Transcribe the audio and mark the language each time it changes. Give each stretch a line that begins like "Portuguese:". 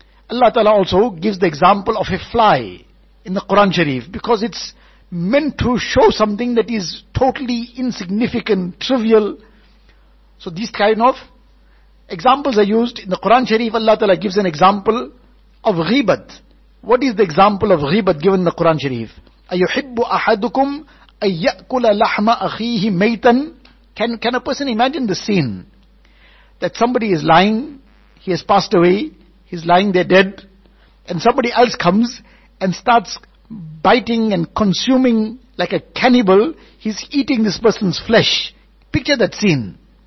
English: Allah Ta'ala also gives the example of a fly in the Quran Sharif, because it's meant to show something that is totally insignificant, trivial. So these kind of examples are used in the Quran Sharif. Allah Ta'ala gives an example of ghibat. What is the example of ghibat given in the Quran Sharif?
Arabic: أَيُحِبُّ أَحَدُكُمْ أَيَّأْكُلَ لَحْمَ أَخِيهِ مَيْتًا.
English: Can a person imagine the scene? That somebody is lying, he has passed away, he's lying there dead, and somebody else comes and starts biting and consuming like a cannibal, he's eating this person's flesh. Picture that scene.